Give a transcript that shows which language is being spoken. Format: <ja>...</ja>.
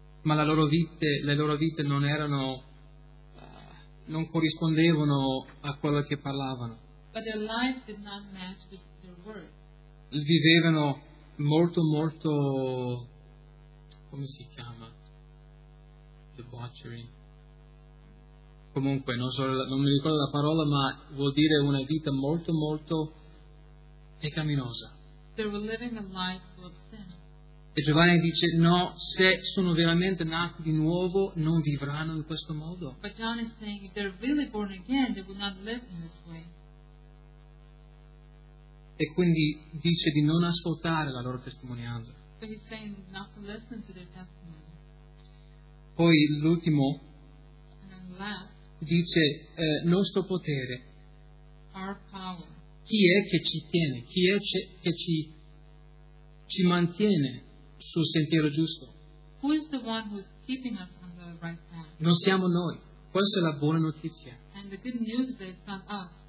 <it>Ma le loro vite non erano, non corrispondevano a quello che parlavano.</it> <en>But their lives did not match with their words.</en> <it>Vivevano molto molto, come si chiama? Debauchery. Comunque, non mi ricordo la parola, ma vuol dire una vita molto molto pecaminosa.</it> <en>They were living a life full of sin.</en> <it>E Giovanni dice, no, se sono veramente nati di nuovo, non vivranno in questo modo.</it> <en>But John is saying, if they're really born again, they will not live in this way.</en> <it>E quindi dice di non ascoltare la loro testimonianza.</it> <en>So he's saying not to listen to their testimony.</en> <it>Poi l'ultimo,</it> <en>and then last,</en> <it>dice, nostro potere,</it> <en>our power.</en> <it>Chi è che ci tiene? Chi è che ci mantiene sul sentiero giusto?</it> <en>Who is the one who's keeping us on the right path?</en> <it>Non siamo noi. Questa è la buona notizia.</it> <en>And the good news is that it's not us.</en>